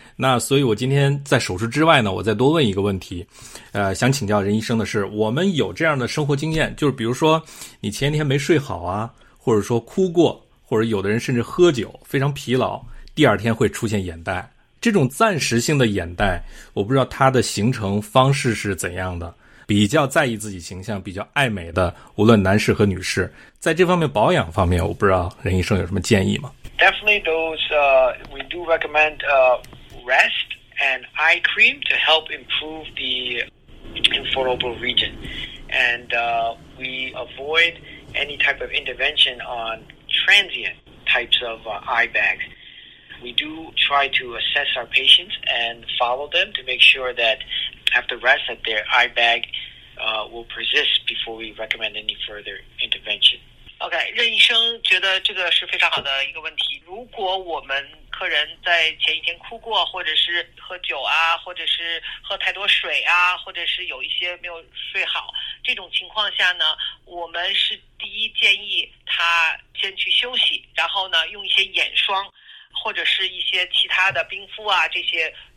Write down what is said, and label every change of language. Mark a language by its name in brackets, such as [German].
[Chinese] 那所以我今天在手术之外呢，我再多问一个问题，想请教任医生的是，我们有这样的生活经验，就是比如说你前一天没睡好啊，或者说哭过，或者有的人甚至喝酒非常疲劳，第二天会出现眼袋，这种暂时性的眼袋，我不知道它的形成方式是怎样的。比较在意自己形象、比较爱美的，无论男士和女士，在这方面保养方面，我不知道任医生有什么建议吗 [English] ？Definitely, those we do recommend rest and eye cream to help improve the inflammable region, and we avoid any type of intervention on transient types of eye bags. We do try to assess our patients and follow them to make sure that after rest that their eye bag will persist before we recommend any further intervention. [Chinese] OK, 任医生觉得这个是非常好的一个问题。如果我们客人在前一天哭过，或者是喝酒啊，或者是喝太多水啊，或者是有一些没有睡好，这种情况下呢，我们是第一建议他先去休息，然后呢用一些眼霜或者是一些其他的冰敷啊，这些